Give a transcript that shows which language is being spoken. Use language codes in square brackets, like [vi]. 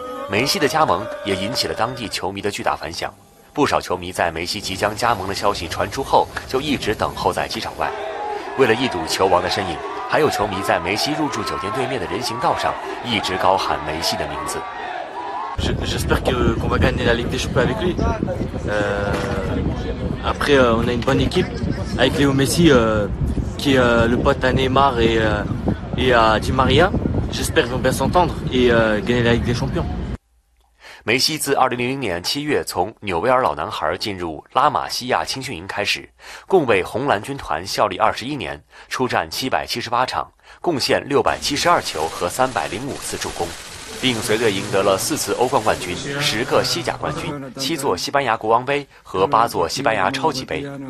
[zh] 梅西的加盟也引起了当地球迷的巨大反响，不少球迷在梅西即将加盟的消息传出后就一直等候在机场外，为了一睹球王的身影，还有球迷在梅西入住酒店对面的人行道上一直高喊梅西的名字。 [fr] J'espère qu'on va gagner la Ligue des Champions avec lui. Après, on a une bonne équipe avec Léo Messi, qui le pote à Neymar et à Di Maria. J'espère qu'ils vont bien s'entendre et gagner la Ligue des Champions. [zh] 梅西自2000年7月从纽维尔老男孩进入拉玛西亚青训营开始，共为红蓝军团效力21年，出战778场，贡献672球和305次助攻，并随队赢得了4次欧冠冠军、10个西甲冠军、7座西班牙国王杯和8座西班牙超级杯。